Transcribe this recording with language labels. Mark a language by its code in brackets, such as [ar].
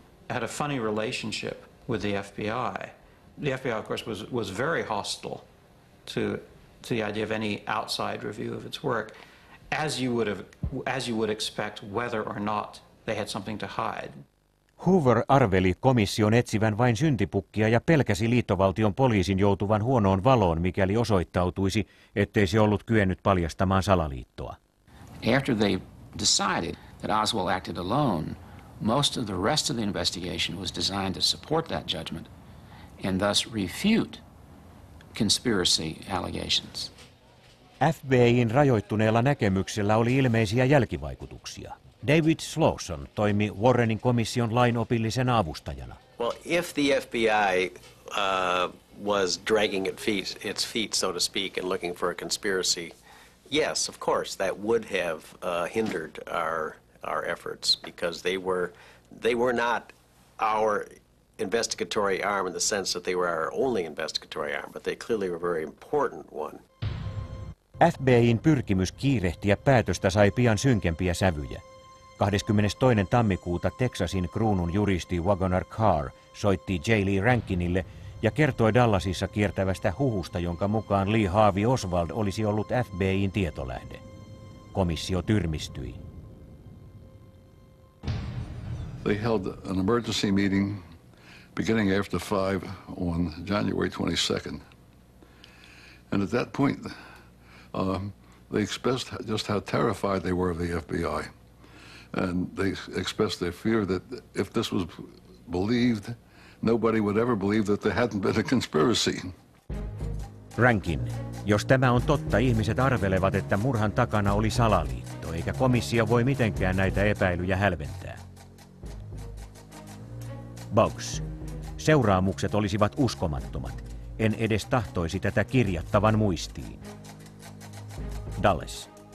[en] I had a funny relationship with the FBI. The FBI, of course, was very hostile to the idea of any outside review of its work, as you would expect, whether or not they had something to hide. [fi] Hoover arveli komission etsivän vain syntipukkia ja pelkäsi liittovaltion poliisin joutuvan huonoon valoon, mikäli osoittautuisi, ettei se ollut kyennyt paljastamaan salaliittoa. [en] After they decided that Oswald acted alone, most of the rest of the investigation was designed to support that judgment and thus refute conspiracy allegations. [fi] FBI:n rajoittuneella näkemyksellä oli ilmeisiä jälkivaikutuksia. David Slauson toimi Warrenin komission lainopillisena avustajana. [en] Well, if the FBI was dragging its feet, so to speak, and looking for a conspiracy, yes, of course, that would have hindered our efforts because they were not our investigatory arm in the sense that they were our only investigatory arm, but they clearly were a very important one. [fi] FBI:n pyrkimys kiirehtiä päätöstä sai pian synkempiä sävyjä. 22. tammikuuta Texasin kruunun juristi Wagoner Carr soitti J. Lee Rankinille ja kertoi Dallasissa kiertävästä huhusta, jonka mukaan Lee Harvey Oswald olisi ollut FBI:n tietolähde. Komissio tyrmistyi. [en] They held an emergency meeting beginning after 5 on January 22nd. And at that point, they expressed just how terrified they were of the FBI. And they expressed their fear that if this was believed, nobody would ever believe that there hadn't been a conspiracy. [fi] Rankin, jos tämä on totta, ihmiset arvelevat, että murhan takana oli salaliitto, eikä komissio voi mitenkään näitä epäilyjä hälventää. Boggs. Seuraamukset olisivat uskomattomat. En edes tahtoisi tätä kirjattavan muistiin. Dulles.